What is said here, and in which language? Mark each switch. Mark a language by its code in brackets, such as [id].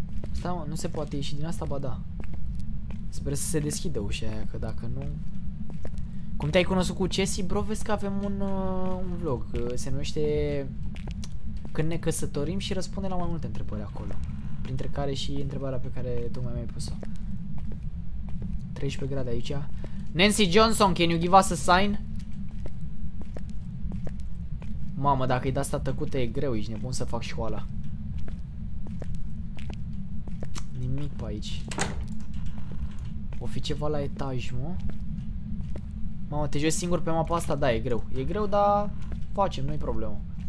[ro] Stai, mă, nu se poate ieși din asta, ba da. Sper să se deschidă ușa aia, că dacă nu... Cum te-ai cunoscut cu Chessy? Bro, vezi că avem un vlog. Se numește... Când ne căsătorim și răspunde la mai multe întrebări acolo. Printre care și întrebarea pe care tocmai mi-ai pus-o. 13 grade aici. [en] Nancy Johnson, can you give us a sign? [ro] Mamă, dacă-i de asta tăcută e greu, ești nebun să fac școala. nimic pe aici. O fi ceva la etaj, mă. Mamă, te joci singur pe mapa asta? Da, e greu. E greu, dar facem, nu-i problemă.